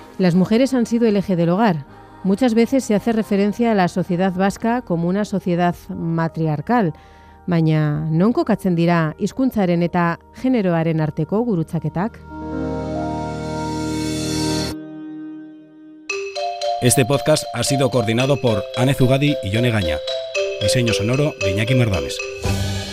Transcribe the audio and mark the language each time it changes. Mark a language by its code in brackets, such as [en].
[es] Las mujeres han sido el eje del hogar. Muchas veces se hace referencia a la sociedad vasca como una sociedad matriarcal. [eu] Baina, non kokatzen dira hizkuntzaren eta generoaren arteko gurutzaketak? [es] Este podcast ha sido coordinado por Anne Zugadi y Ione Gaña. Diseño sonoro de Iñaki Merdames.